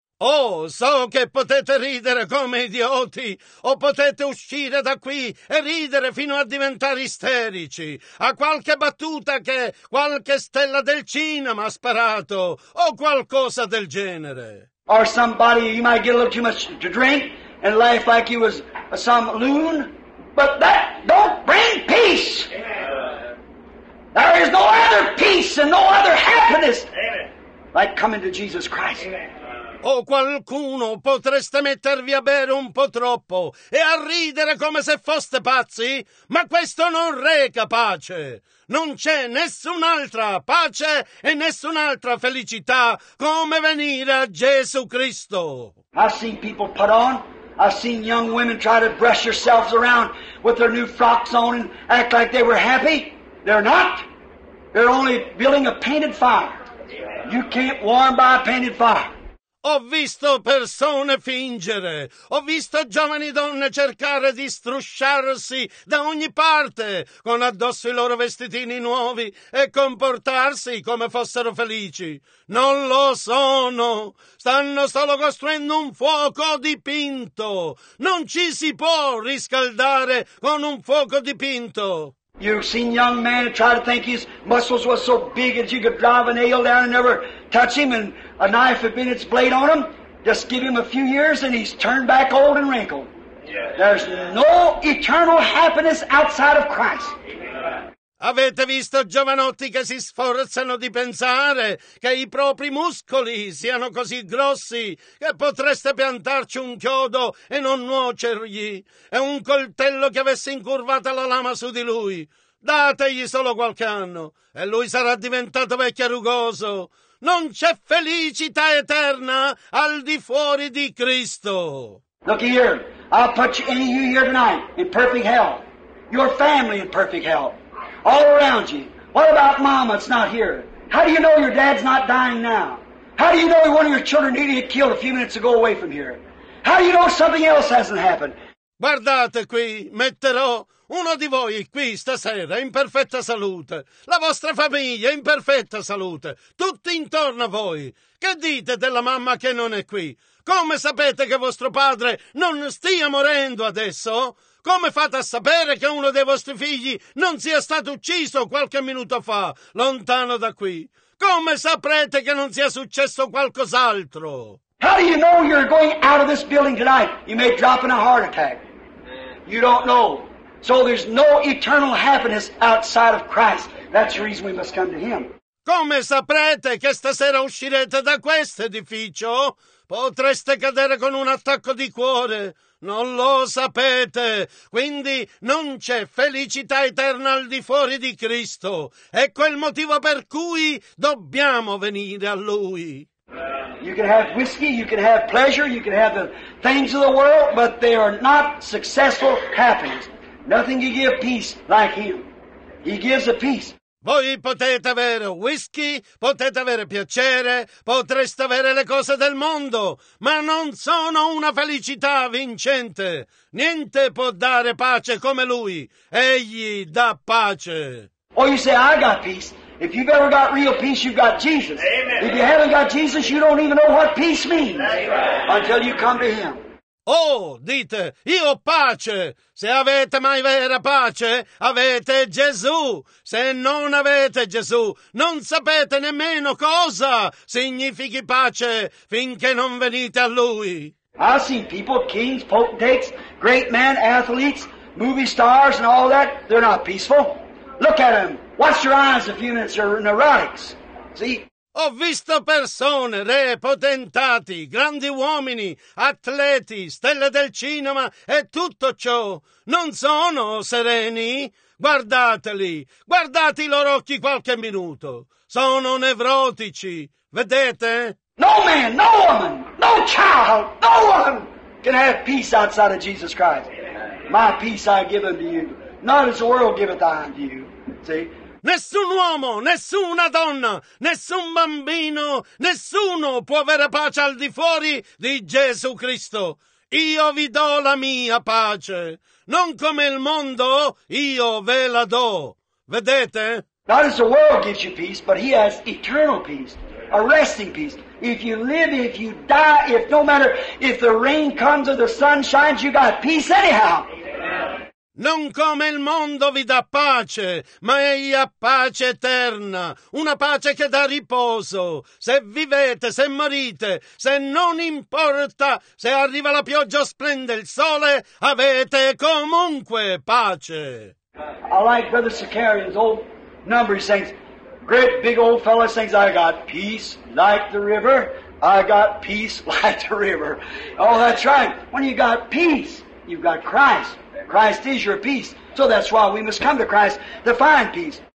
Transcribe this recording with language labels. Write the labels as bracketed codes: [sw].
[it] Oh, so che potete ridere come idioti, o potete uscire da qui e ridere fino a diventare isterici, a qualche battuta che qualche stella del cinema ha sparato, o qualcosa del genere. [en] Or somebody, you might get a little too much to drink and laugh like you was some loon, but that don't bring peace. Amen. There is no other peace and no other happiness. Amen. Like coming to Jesus Christ. Amen. [it] O qualcuno potreste mettervi a bere un po' troppo e a ridere come se foste pazzi, ma questo non reca pace. Non c'è nessun'altra pace e nessun'altra felicità come venire a Gesù Cristo. [en] I've seen people put on, I've seen young women try to brush themselves around with their new frocks on and act like they were happy. They're not. They're only building a painted fire. You can't warm by a painted fire. [it] Ho visto persone fingere, ho visto giovani donne cercare di strusciarsi da ogni parte con addosso i loro vestitini nuovi e comportarsi come fossero felici. Non lo sono, stanno solo costruendo un fuoco dipinto. Non ci si può riscaldare con un fuoco dipinto. [en] You've seen young man try to think his muscles were so big that you could drive a nail down and never touch him, and a knife had been its blade on him. Just give him a few years and he's turned back old and wrinkled. There's no eternal happiness outside of Christ. [it] Avete visto giovanotti che si sforzano di pensare che i propri muscoli siano così grossi che potreste piantarci un chiodo e non nuocergli, e un coltello che avesse incurvata la lama su di lui? Dategli solo qualche anno e lui sarà diventato vecchio e rugoso. Non c'è felicità eterna al di fuori di Cristo. [en] Look here, I'll put any of you here tonight in perfect health. Your family in perfect health. All around you. What about mama that's not here? How do you know your dad's not dying now? How do you know one of your children needed to get killed a few minutes ago away from here? How do you know something else hasn't happened? [it] Guardate qui, metterò uno di voi qui stasera in perfetta salute. La vostra famiglia in perfetta salute. Tutti intorno a voi. Che dite della mamma che non è qui? Come sapete che vostro padre non stia morendo adesso? Come fate a sapere che uno dei vostri figli non sia stato ucciso qualche minuto fa, lontano da qui? Come saprete che non sia successo qualcos'altro? [en] How do you know you're going out of this building tonight? You may drop in a heart attack. You don't know. So there's no eternal happiness outside of Christ. That's the reason we must come to Him. [it] Come saprete che stasera uscirete da questo edificio? Potreste cadere con un attacco di cuore. Non lo sapete. Quindi non c'è felicità eterna al di fuori di Cristo. Ecco il motivo per cui dobbiamo venire a Lui. [en] You can have whiskey, you can have pleasure, you can have the things of the world, but they are not successful happiness. Nothing can give peace like Him. He gives a peace. [it] Voi potete avere whisky, potete avere piacere, potreste avere le cose del mondo, ma non sono una felicità vincente. Niente può dare pace come Lui. Egli dà pace. [en] Oh, you say, I got peace. If you've ever got real peace, you've got Jesus. Amen. If you haven't got Jesus, you don't even know what peace means. Amen. Until you come to Him. [it] Oh, dite, io ho pace. Se avete mai vera pace, avete Gesù. Se non avete Gesù, non sapete nemmeno cosa significhi pace finché non venite a Lui. [en] I've seen people, kings, potentates, great men, athletes, movie stars and all that, they're not peaceful. Look at them. Watch your eyes a few minutes, they're neurotics. See? [it] Ho visto persone, re, potentati, grandi uomini, atleti, stelle del cinema e tutto ciò. Non sono sereni? Guardateli, guardate i loro occhi qualche minuto. Sono nevrotici, vedete? [en] No man, no woman, no child, no one can have peace outside of Jesus Christ. My peace I give unto you, not as the world giveth I unto you. See? [it] Nessun uomo, nessuna donna, nessun bambino, nessuno può avere pace al di fuori di Gesù Cristo. Io vi do la mia pace. Non come il mondo, io ve la do. Vedete? [en] Not as the world gives you peace, but He has eternal peace, a resting peace. If you live, if you die, if no matter if the rain comes or the sun shines, you got peace anyhow. [it] Non come il mondo vi dà pace, ma egli ha pace eterna, una pace che dà riposo. Se vivete, se morite, se non importa, se arriva la pioggia o splende il sole, avete comunque pace. [en] I like Brother Sakarian's old number, he sings, great big old fellow sings, I got peace like the river, I got peace like the river. Oh, that's right, when you got peace, you've got Christ. Christ is your peace, so that's why we must come to Christ to find peace.